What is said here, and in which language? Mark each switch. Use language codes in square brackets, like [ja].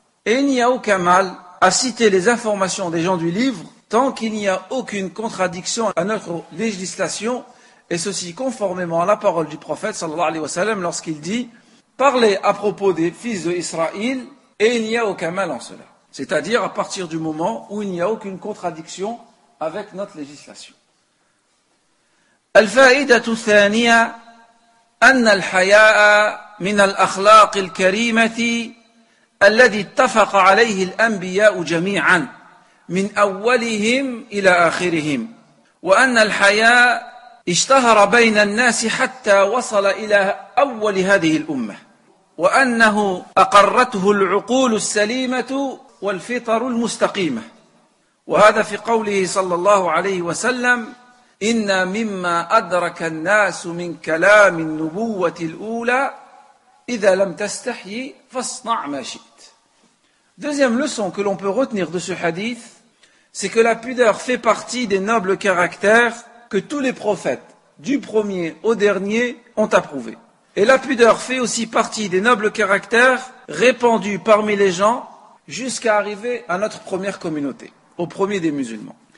[fr] Et il n'y a aucun mal à citer les informations des gens du livre tant qu'il n'y a aucune contradiction à notre législation, et ceci conformément à la parole du prophète [ar] sallallahu alayhi wa sallam [fr] lorsqu'il dit « Parlez à propos des fils d'Israël et il n'y a aucun mal en cela. » C'est-à-dire à partir du moment où il n'y a aucune contradiction avec notre législation. [ar] Al-fa'idatu thaniya أن الحياء من الأخلاق الكريمة الذي اتفق عليه الأنبياء جميعا من أولهم إلى آخرهم، وأن الحياء اشتهر بين الناس حتى وصل إلى أول هذه الأمة، وأنه أقرته العقول السليمة والفطر المستقيمة. وهذا في قوله صلى الله عليه وسلم: إن مما أدرك الناس من كلام النبوة الأولى إذا لم تستحي فاصنع ما شئت. [fr] Deuxième leçon que l'on peut retenir de ce hadith, c'est que la pudeur fait partie des nobles caractères que tous les prophètes, du premier au dernier, ont approuvé. Et la pudeur fait aussi partie des nobles caractères répandus parmi les gens jusqu'à arriver à notre première communauté, au premier des musulmans.